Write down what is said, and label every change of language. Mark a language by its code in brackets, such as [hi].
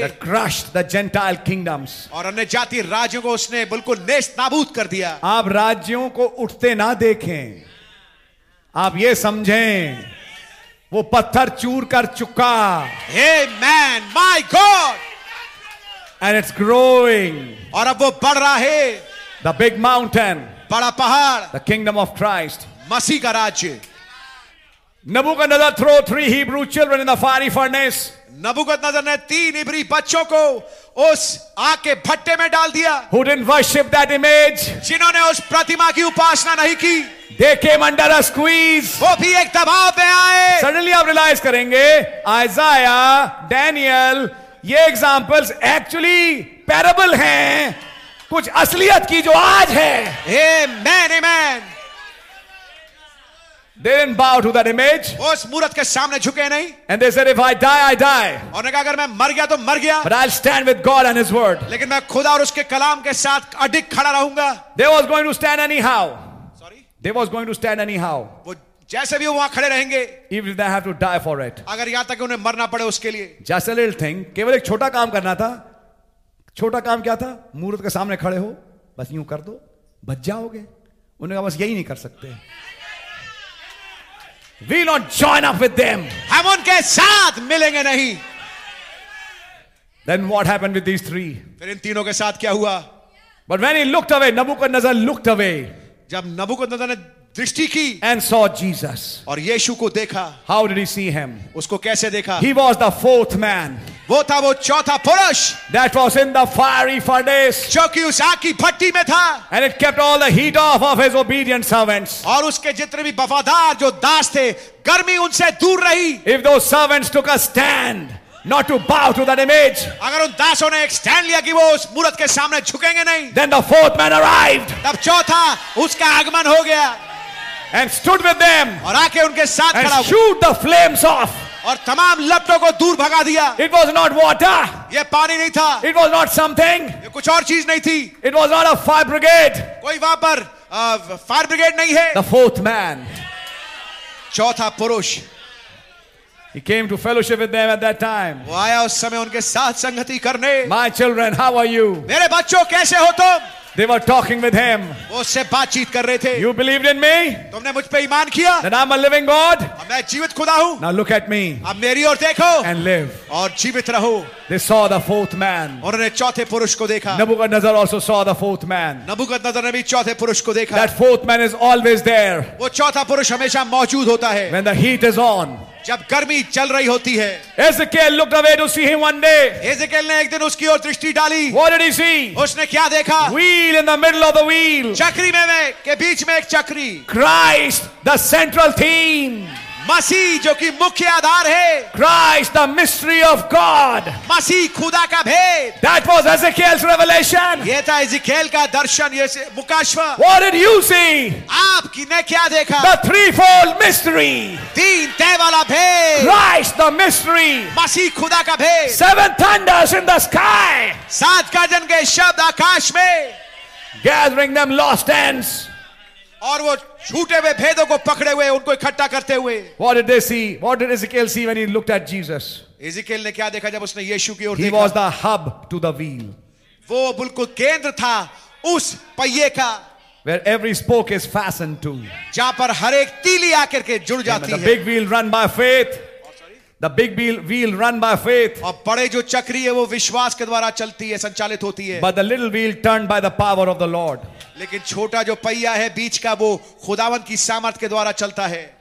[en] That crushed the Gentile kingdoms. [hi] और अन्य जाति राज्यों को उसने बिल्कुल नेस्त नाबूद कर दिया. आप राज्यों को उठते ना देखें, आप ये समझें वो पत्थर चूर कर चुका. [en] Amen. My God. And it's growing. [hi] और अब वो बढ़ रहा है. [en] The big mountain. [hi] बड़ा पहाड़. [en] The kingdom of Christ. [hi] मसीह का राज्य. [en] Nebuchadnezzar threw three Hebrew children in the fiery furnace. [hi] नबूकदनज़र ने तीन इब्री बच्चों को उस आग के भट्टे में डाल दिया. [en] Who didn't worship that image? [hi] जिन्होंने उस प्रतिमा की उपासना नहीं की. [en] They came under a squeeze. [hi] वो भी एक दबाव में आए. Suddenly आप realize करेंगे, Isaiah, Daniel, ये examples actually parable हैं, कुछ असलियत की जो आज है. [en] Amen, amen. They didn't bow to that image. [hi] उस मूरत के सामने झुके नहीं. [en] And they said, if I die, I die. [hi] और ने कहा अगर मैं मर गया तो मर गया. [en] But I'll stand with God and His word. [hi] लेकिन मैं खुदा और उसके कलाम के साथ अडिग खड़ा रहूँगा. [en] They was going to stand anyhow. Sorry. They was going to stand anyhow. [hi] वो जैसे भी वहाँ खड़े रहेंगे. [en] Even if they have to die for it. [hi] अगर यहाँ तक उन्हें मरना पड़े उसके लिए. [en] Just a little thing. [hi] केवल एक छोटा काम करना था. छोटा काम क्या था? मूरत के सामने खड़े हो, बस यूं कर दो, बच जाओगे. उन्हें कहा बस यही नहीं कर सकते. [en] We not join up with them. [hi] हम उनके साथ मिलेंगे नहीं. [en] Then what happened with these three? [hi] फिर इन तीनों के साथ क्या हुआ? [en] But when he looked away, Nebuchadnezzar looked away. [hi] जब नबूकदनज़र ने दृष्टि की. [en] And saw Jesus. [hi] और यीशु को देखा. [en] How did he see him? [hi] उसको कैसे देखा? [en] He was the fourth man. [hi] वो था वो चौथा पुरुष. [en] That was in the fiery furnace. [hi] जो कि उस आग की भट्टी में था. [en] And it kept all the heat off of his obedient servants. [hi] और उसके जितने भी वफादार जो दास थे, गर्मी उनसे दूर रही. [en] If those servants took a stand, not to bow to that image. [hi] अगर उन दासों ने एक स्टैंड लिया कि वो उस मूरत के सामने झुकेंगे नहीं. [en] Then the fourth man arrived. [hi] तब चौथा उसका आगमन हो गया. [en] And stood with them. [hi] और आके उनके साथ खड़ा. [en] And shoot the flames off. [hi] और तमाम लपटों को दूर भगा दिया. [en] It was not water. [hi] ये पानी नहीं था. [en] It was not something. [hi] ये कुछ और चीज नहीं थी. [en] It was not a fire brigade. [hi] कोई वहां पर फायर ब्रिगेड नहीं है. [en] The fourth man. [hi] चौथा पुरुष. [en] He came to fellowship with them at that time. [hi] वो आया उस समय उनके साथ संगति करने. [en] My children, how are you? [hi] मेरे बच्चों कैसे हो तुम? [en] They were talking with him. [hi] वो उससे बातचीत कर रहे थे. [en] You believed in me? [hi] तुमने मुझ पे ईमान किया? [en] That I'm a living God? [hi] अब मैं जीवित खुदा हूँ. [en] Now look at me. [hi] अब मेरी ओर देखो. [en] And live. [hi] और जीवित रहो. [en] They saw the fourth man. [hi] और उन्होंने चौथे पुरुष को देखा. [en] Nebuchadnezzar also saw the fourth man. [hi] नबूकदनज़र ने भी चौथे पुरुष को देखा. [en] That fourth man is always there. [hi] वो चौथा पुरुष हमेशा मौजूद होता है. [en] When the heat is on. [hi] जब गर्मी चल रही होती है. [en] Ezekiel looked away to see him one day. [hi] Ezekiel ने एक दिन उसकी ओर दृष्टि डाली. [en] What did he see? [hi] उसने क्या देखा? [en] Wheel in the middle of the wheel. [hi] चक्री में के बीच में एक चक्री. [en] Christ the central theme. [hi] मसीह जो कि मुख्य आधार है. [en] Christ the mystery of God. [hi] मसीह खुदा का भेद. [en] That was Ezekiel's revelation. [hi] ये था Ezekiel का दर्शन, ये मुकाशवा. [en] What did you see? [hi] आप किने क्या देखा? [en] The threefold mystery. [hi] तीन तह वाला भेद. [en] Christ the mystery. [hi] मसीह खुदा का भेद. [en] Seven thunders in the sky. [hi] सात गर्जन के शब्द आकाश में. [en] Gathering them lost ends. [hi] और वो छूटे हुए भेदों को पकड़े हुए, उनको इकट्ठा करते हुए. [en] What did they see? What did Ezekiel see when he looked at Jesus? [hi] Ezekiel ने क्या देखा जब उसने यीशु की ओर देखा? [en] He was the hub to the wheel. [hi] वो बिल्कुल केंद्र था उस पहिए का. [en] Where every spoke is fastened to. [hi] जहां पर हर एक तीली आकर के जुड़ जाती है. [en] The big wheel run by faith. The big wheel run by faith. [hi] और बड़े जो चक्री है वो विश्वास के द्वारा चलती है, संचालित होती है. [en] But the little wheel turned by the power of the Lord. [hi] लेकिन छोटा जो पहिया है बीच का, वो खुदावन की सामर्थ के द्वारा चलता है.